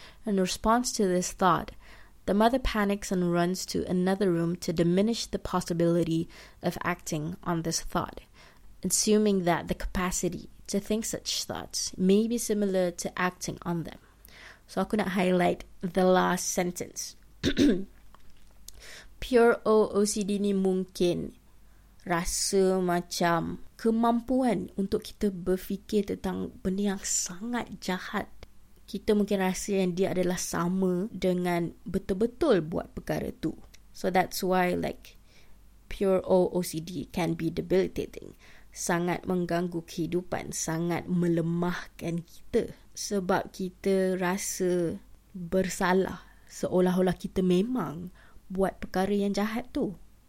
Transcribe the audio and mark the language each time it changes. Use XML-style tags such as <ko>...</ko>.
<en>In response to this thought, the mother panics and runs to another room to diminish the possibility of acting on this thought, assuming that the capacity to think such thoughts may be similar to acting on them. So I'm going to highlight the last sentence.</en> <ms>Pure OCD ni mungkin rasa macam kemampuan untuk kita berfikir tentang benda yang sangat jahat. Kita mungkin rasa yang dia adalah sama dengan betul-betul buat perkara tu.</ms> <en>So that's why like pure OCD can be debilitating.</en> <ms>Sangat mengganggu kehidupan, sangat melemahkan kita. Sebab kita rasa bersalah seolah-olah kita memang buat perkara yang jahat tu.</ms>